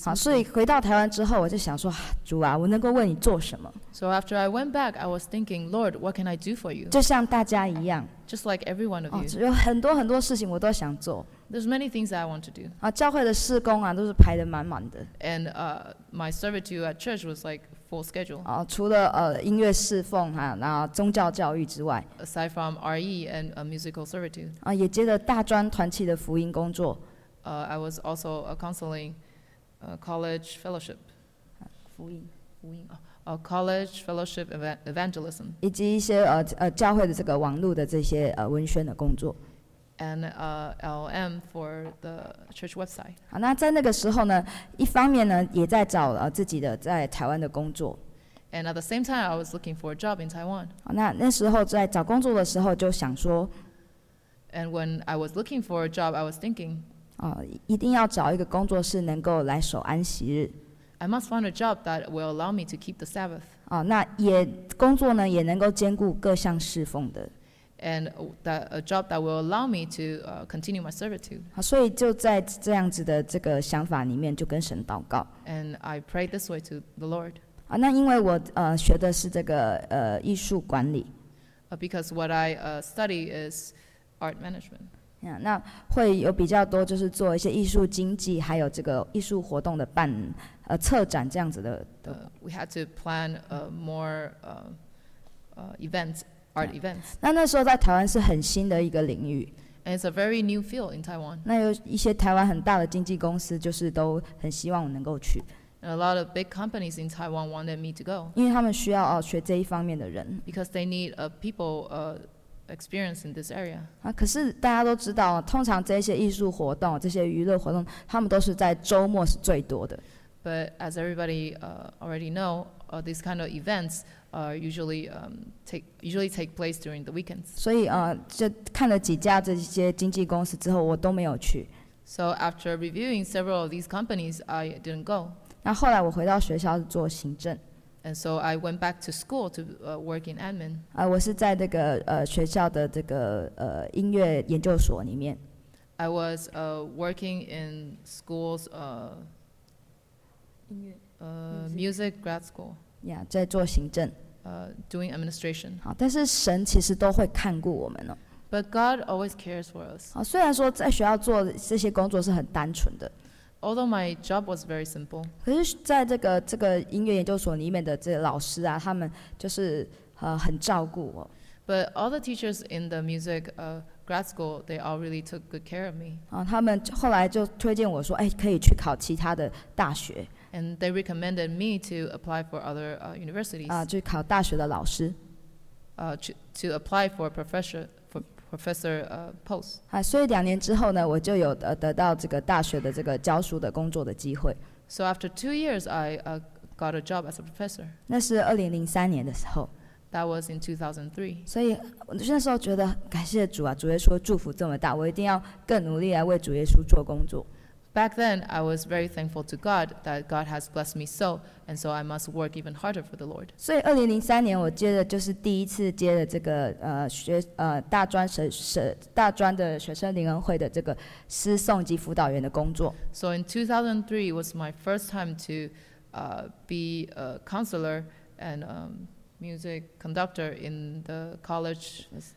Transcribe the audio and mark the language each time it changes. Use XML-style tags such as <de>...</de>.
<zh>好，所以回到台湾之后，我就想说，主啊，我能够为你做什么</zh> <en>？So after I went back, I was thinking, Lord, what can I do for you?</en> <zh>就像大家一样</zh> <en>，just like everyone of you.</en> <zh>有很多很多事情我都想做。</zh> <en>There's many things that I want to do.</en> <zh>啊，教会的事工啊，都是排得满满的。</zh> <en>And my service to you at church was like full schedule.</en> <zh>啊，除了音乐侍奉哈，然后宗教教育之外</zh> <en>，aside from RE and a musical servitude.</en> <zh>啊，也接着大专团契的福音工作。</zh> <en>I was also a counseling, college fellowship.</en> <zh>福音</zh> <en>啊 college fellowship evangelism.</en> <zh>以及一些教会的这个网络的这些文宣的工作。</zh> <en>And LM for the church website.</en> <zh>好，那在那个时候呢，一方面呢，也在找自己的在台湾的工作。</zh> <en>And at the same time, I was looking for a job in Taiwan.</en> <zh>好，那时候在找工作的时候就想说。</zh> <en>And when I was looking for a job, I was thinking.</en> <zh>一定要找一个工作是能够来守安息日。</zh> <en>I must find a job that will allow me to keep the Sabbath.</en> <zh>哦，那也工作呢，也能够兼顾各项侍奉的。</zh> <en>And that a job that will allow me to continue my servitude.</en> <zh>好，所以就在这样子的这个想法里面，就跟神祷告。</zh> <en>And I pray this way to the Lord.</en> <zh>啊，那因为我学的是这个艺术管理。</zh> <en>Because what I study is art management.</en> <zh>呀，那会有比较多就是做一些艺术经济，还有这个艺术活动的办策展这样子的。</zh> <en>We had to plan more events. Art events.</en> <zh>那时候在台湾是很新的一个领域。</zh> <en>And it's a very new field in Taiwan.</en> <zh>那有一些台湾很大的经纪公司，就是都很希望我能够去。</zh> <en>And a lot of big companies in Taiwan wanted me to go.</en> <zh>因为他们需要学这一方面的人。</zh> <en>Because they need people experience in this area.</en> <zh>可是大家都知道，通常这些艺术活动、这些娱乐活动，他们都是在周末是最多的。</zh> <en>But as everybody already know, these kind of events are usually take place during the weekends.</en> <zh>所以就看了几家这些经纪公司之后，我都没有去。</zh> <en>So after reviewing several of these companies, I didn't go.</en> <zh>那后来我回到学校做行政。</zh> <en>And so I went back to school to work in admin.</en> <zh>我是在这个学校的这个音乐研究所里面。</zh> <en>I was working in school's music grad school.</en> <zh>Yeah, 在做行政。</zh> <en>Doing administration.</en> <zh>好，但是神其实都会看顾我们哦。</zh> <en>But God always cares for us.</en> <zh>虽然说在学校做这些工作是很单纯的。</zh> <en>Although my job was very simple.</en> <zh>可是在这个音乐研究所里面的这老师啊，他们就是很照顾我。</zh> <en>But all the teachers in the music grad school, they all really took good care of me.</en> <zh>他们后来就推荐我说，哎，可以去考其他的大学。</zh> <en>And they recommended me to apply for other universities.</en> <zh>就考大学的老师。</zh> <en>To apply for professor post.</en> <zh>所以两年之后呢，我就有得到这个大学的这个教书的工作的机会。</zh> <en>So after 2 years, I got a job as a professor.</en> <zh>那是2003年的时候。</zh> <en>That was in 2003.</en> <zh>所以我那时候觉得感谢主啊，主耶稣祝福这么大，我一定要更努力来为主耶稣做工作。</zh> <en>Back then, I was very thankful to God that God has blessed me so, and so I must work even harder for the Lord.</en> <zh>所以2003年我接的就是第一次接的这个大专的学生灵恩会的这个诗颂及辅导员的工作。</zh> <en>So in 2003 was my first time to be a counselor and music conductor in the college.</en>